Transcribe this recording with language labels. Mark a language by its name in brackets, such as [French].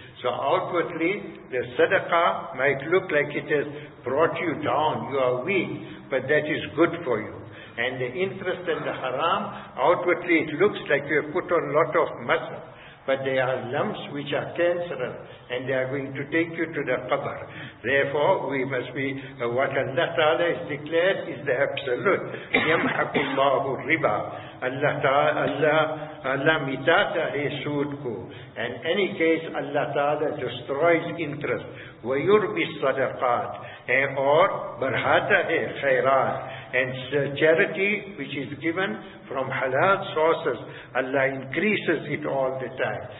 [English] So outwardly, the sadaqah might look like it has brought you down, you are weak, but that is good for you. And the interest in the haram, outwardly it looks like you have put on a lot of muscle, but they are lumps which are cancerous, and they are going to take you to the qabr. Therefore, we must be, what Allah Ta'ala has declared is the absolute. [Arabic] يَمْحَقُ اللَّهُ riba. [Urdu] Allah mitata hai sood ko. [English] In any case, Allah Ta'ala destroys interest. [Arabic] وَيُرْبِ الصَّدَقَات. [English] Or, [Urdu] barhata hai khairat. [English] And charity which is given from halal sources, Allah increases it all the time.